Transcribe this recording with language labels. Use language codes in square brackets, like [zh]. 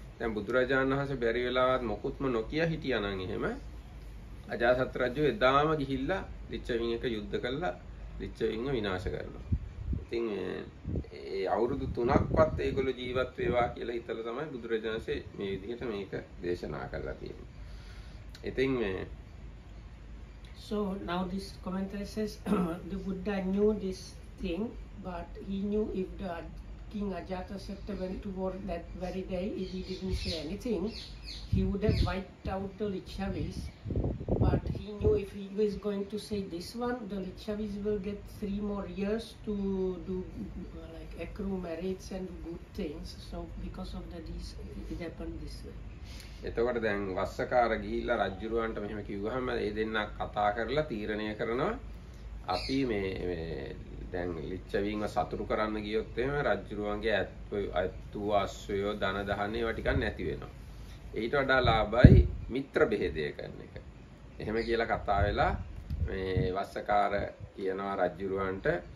[si] දැන් බුදුරජාණන් වහන්සේ බැරි වෙලාවත් මොකුත්ම නොකිය හිටියා නම් එහෙම අජාසත් රජු එදාම ගිහිල්ලා ලිච්ඡවීන් එක යුද්ධ කළා ලිච්ඡවීන්ව විනාශ කරනවා. ඉතින් ඒ අවුරුදු 3ක්වත් ඒගොල්ලෝ ජීවත් වේවා කියලා හිතලා තමයි බුදුරජාණන්සේ මේ විදිහට මේක දේශනා කරලා තියෙන්නේ. ඉතින් මේ [en] So now this commentary says the Buddha knew this thing but he knew if the king Ajatasattu went to war that very day if he didn't say anything he would have wiped out the lichavis but he knew if he was going to say this one the lichavis will get 3 more years to do like accrue merits and good things so because of that it happened this way [si] එතකොට දැන් වස්සකාර ගිහිල්ලා රජුරවන්ට මෙහෙම කිව්වහම ඒ දෙන්න කතා කරලා තීරණය කරනවා අපි මේ දැන් ලිච්ඡවීන්ව සතුරු කරන්න ගියොත් එහෙම රජුරවන්ගේ ඇත්තු අස්සය ධන දහන ඒවා ටිකක් නැති වෙනවා ඊට වඩා ලාභයි මිත්‍ර බෙහෙදය කරන එක එහෙම කියලා කතා වෙලා මේ වස්සකාර කියනවා රජුරවන්ට